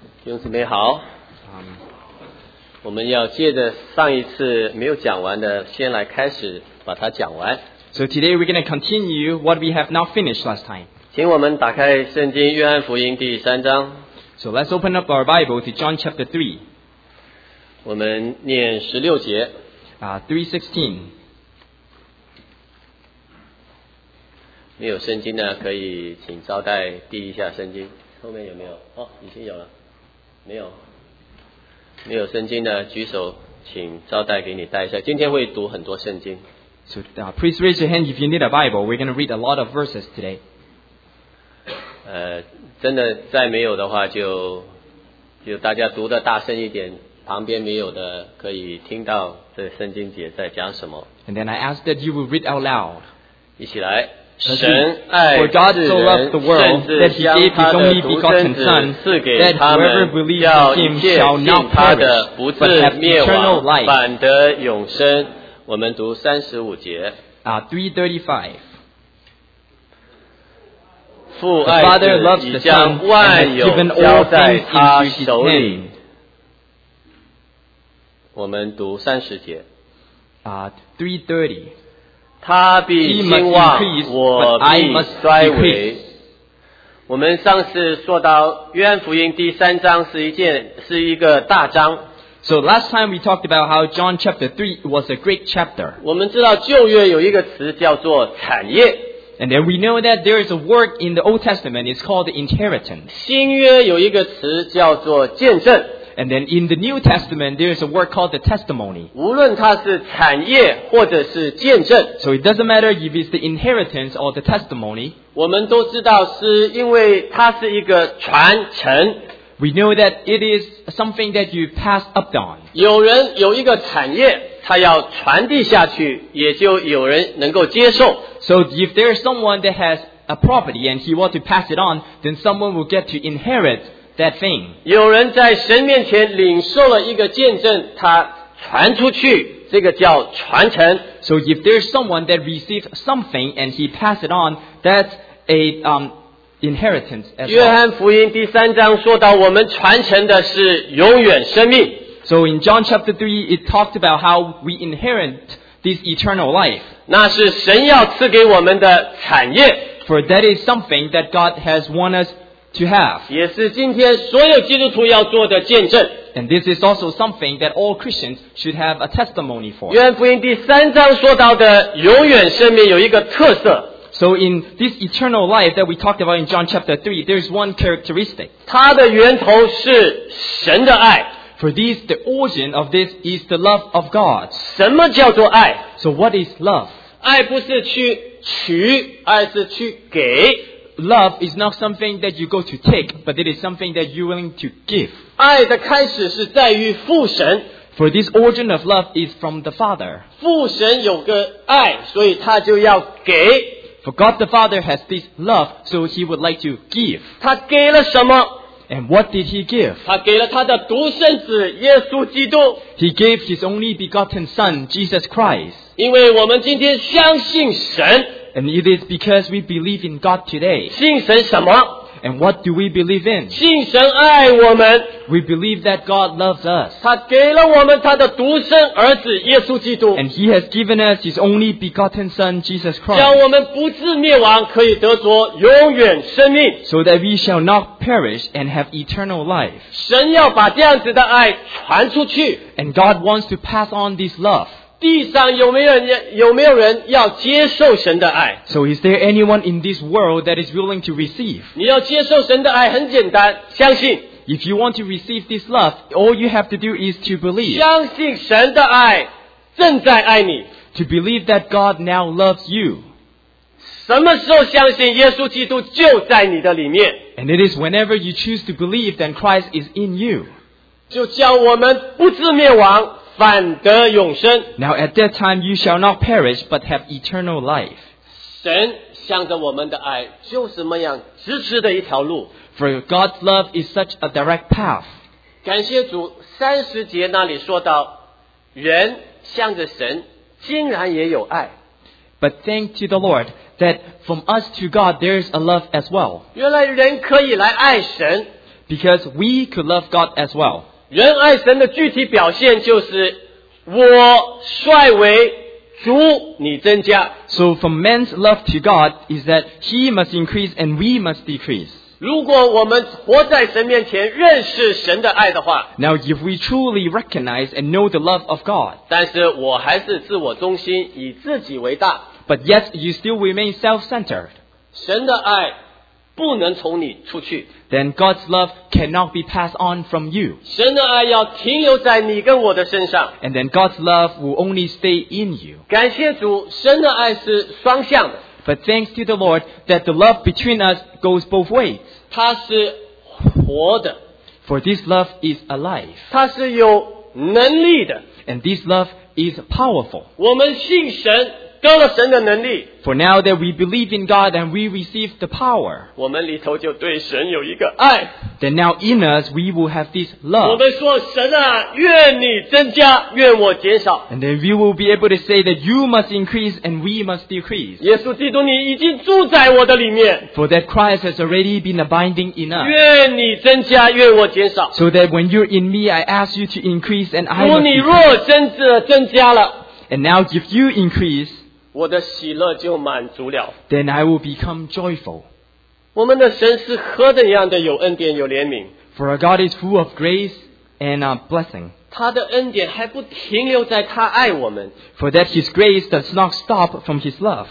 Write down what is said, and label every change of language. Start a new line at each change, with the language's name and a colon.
Chinese: 弟兄姊妹好，我们要借着上一次没有讲完的，先来开始把它讲完。
English: So today we're going to continue what we have not finished last time.
Chinese: 请我们打开圣经约翰福音第三章。
English: So let's open up our Bible to John chapter 3.
Chinese: 我们念十六节。
English: 3:16.
Chinese: 没有圣经的可以请招待递一下圣经。后面有没有？哦，已经有了。没有，没有圣经的举手，请招待给你带一下。今天会读很多圣经。
English: So, please raise your hand if you need a Bible. We're going to read a lot of verses today.
Chinese: 真的再没有的话就大家读的大声一点，旁边没有的可以听到这圣经节在讲什么。
English: And then I ask that you will read out loud.
Chinese: 一起来。神爱
English: For God so loved the world that he gave his only begotten Son, that whoever believes in him shall not perish, but have eternal life.
Chinese: 反得永生。我们读35节。
English: 3:35. The Father loves the Son and has given all things into his name.
Chinese: 我们读30节。
English: 3:30.
Chinese: 他必兴旺，我必衰微。我们上次说到约翰福音第三章是一个大章。
English: So last time we talked about how John chapter 3 was a great chapter.
Chinese: 我们知道旧约有一个词叫做产业。
English: And then we know that there is a word in the Old Testament, it's called inheritance.
Chinese: 新约有一个词叫做见证。
English: And then in the New Testament, there is a word called the testimony.
Chinese: 无论它是产业或者是见证。
English: So it doesn't matter if it's the inheritance or the testimony.
Chinese: 我们都知道是因为它是一个传承。
English: We know that it is something that you pass up on.
Chinese: 有人有一个产业，他要传递下去，也就有人能够接受。
English: So if there is someone that has a property and he wants to pass it on, then someone will get to inherit that thing.
Chinese: 有人在神面前领受了一个见证，他传出去，这个叫传承。
English: So if there's someone that received something and he passed it on, that's a inheritance.
Chinese: 约翰福音第三章说到，我们传承的是永远生命。
English: So in John chapter 3, it talked about how we inherit this eternal life.
Chinese: 那是神要赐给我们的产业。
English: For that is something that God has won us. To have.
Chinese: 也是今天所有基督徒要做的见证。
English: And this is also something that all Christians should have a testimony for.
Chinese: 约翰福音第三章说到的永远生命有一个特色。
English: So in this eternal life that we talked about in John chapter 3, there's one characteristic.
Chinese: 它的源头是神的爱。
English: For this, the origin of this is the love of God.
Chinese: 什么叫做爱？
English: So what is love?
Chinese: 爱不是去取，爱是去给。
English: Love is not something that you go to take, but it is something that you're willing to give.
Chinese: 爱的开始是在于父神。
English: For this origin of love is from the Father.
Chinese: 父神有个爱，所以他就要给。
English: For God the Father has this love, so he would like to give.
Chinese: 他给了什么？
English: And what did he give?
Chinese: 他给了他的独生子耶稣基督。
English: He gave his only begotten Son, Jesus Christ.
Chinese: 因为我们今天相信神。
English: And it is because we believe in God today.
Chinese: 信神什么?
English: And what do we believe in?
Chinese: 信神爱我们。
English: We believe that God loves us.
Chinese: 他给了我们他的独生儿子耶稣基督。
English: And he has given us his only begotten son, Jesus Christ.
Chinese: 叫我们不至灭亡可以得着永远生命。
English: So that we shall not perish and have eternal life.
Chinese: 神要把这样子的爱传出去。
English: And God wants to pass on this love.
Chinese: 地上有没有人要接受神的爱
English: ？So is there anyone in this world that is willing to receive?
Chinese: 你要接受神的爱很简单，相信。
English: If you want to receive this love, all you have to do is to believe.
Chinese: 相信神的爱正在爱你。
English: To believe that God now loves you.
Chinese: 什么时候相信耶稣基督就在你的里面
English: ？And it is whenever you choose to believe that Christ is in you.
Chinese: 就叫我们不至灭亡。反得永生。
English: Now at that time you shall not perish but have eternal life.
Chinese: 神向着我们的爱就是那样直直的一条路。
English: For God's love is such a direct path.
Chinese: 感谢主，三十节那里说到，人向着神竟然也有爱。
English: But thank to the Lord that from us to God there is a love as well.
Chinese: 原来人可以来爱神。
English: Because we could love God as well.
Chinese: 人爱神的具体表现就是我率为主你增加。
English: So for man's love to God is that he must increase and we must decrease.
Chinese: 如果我们活在神面前认识神的爱的话。
English: Now if we truly recognize and know the love of God.
Chinese: 但是我还是自我中心以自己为大。
English: But yet you still remain self-centered.
Chinese: 神的爱不能从你出去。
English: Then God's love cannot be passed on from you.
Chinese: 神的爱要停留在你跟我的身上。
English: And then God's love will only stay in you.
Chinese: 感谢主，神的爱是双向的。
English: But thanks to the Lord that the love between us goes both ways.
Chinese: 它是活的。
English: For this love is alive.
Chinese: 它是有能力的。
English: And this love is powerful.
Chinese: 我们信神。得了神的能力。
English: For now that we believe in God and we receive the power,
Chinese: 我们里头就对神有一个爱。
English: Then now in us we will have this love.
Chinese: 我们说神啊，愿你增加，愿我减少。
English: And then we will be able to say that you must increase and we must decrease.
Chinese: 耶稣基督，你已经住在我的里面。
English: For that Christ has already been abiding in us.
Chinese: 愿你增加，愿我减少。
English: So that when you're in me, I ask you to increase and I must decrease.
Chinese: 主，你若增加了。
English: And now if you increase,
Chinese: 我的喜乐就满足了。
English: Then I will become joyful.
Chinese: 我们的神是何等样的有恩典有怜悯。
English: For our God is full of grace and a blessing.
Chinese: 他的恩典还不停留在他爱我们。
English: For that his grace does not stop from his love.